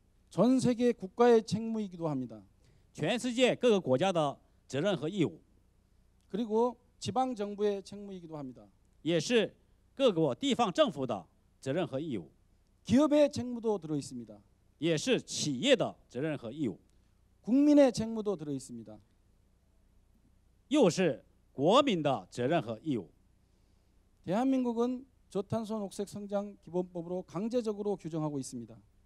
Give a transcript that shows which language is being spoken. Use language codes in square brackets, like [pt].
[ko] 전 세계 국가의 책무이기도 합니다. [zh] 全世界各个国家的责任和义务。 [ko] 그리고 지방 정부의 책무이기도 합니다. [zh] 也是各国地方政府的责任和义务。 [ko] 기업의 책무도 들어 있습니다. [zh] 也是企业的责任和义务。 [ko] 국민의 책무도 들어 있습니다. [zh] 又是国民的责任和义务。 [ko] 대한민국은 저탄소 녹색 성장 기본법으로 강제적으로 규정하고 있습니다.